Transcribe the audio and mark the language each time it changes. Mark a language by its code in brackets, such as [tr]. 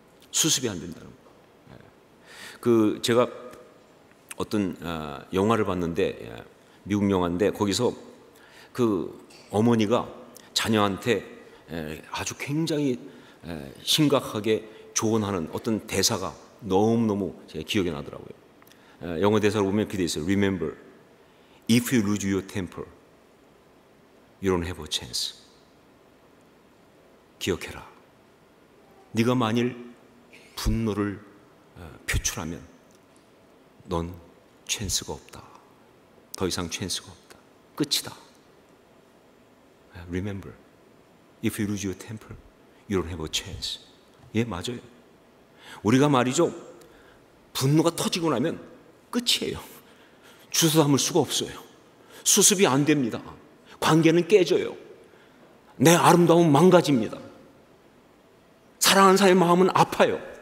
[ko] 수습이 안 된다는 거예요. 그 제가 어떤 영화를 봤는데 미국 영화인데 거기서 그 어머니가 자녀한테 아주 굉장히 심각하게 조언하는 어떤 대사가 너무너무 제 기억에 나더라고요. 영어 대사를 보면 그게 있어요. [en] Remember, if you lose your temper, you don't have a chance. [ko] 기억해라. 네가 만일 분노를 표출하면 넌 찬스가 없다. 더 이상 찬스가 없다. 끝이다. [en] Remember, if you lose your temper, you don't have a chance. [ko] 예, 맞아요. 우리가 말이죠. 분노가 터지고 나면 끝이에요. 주워 담을 수가 없어요. 수습이 안 됩니다. 관계는 깨져요. 내 아름다움 망가집니다. 사랑하는 사람의 마음은 아파요.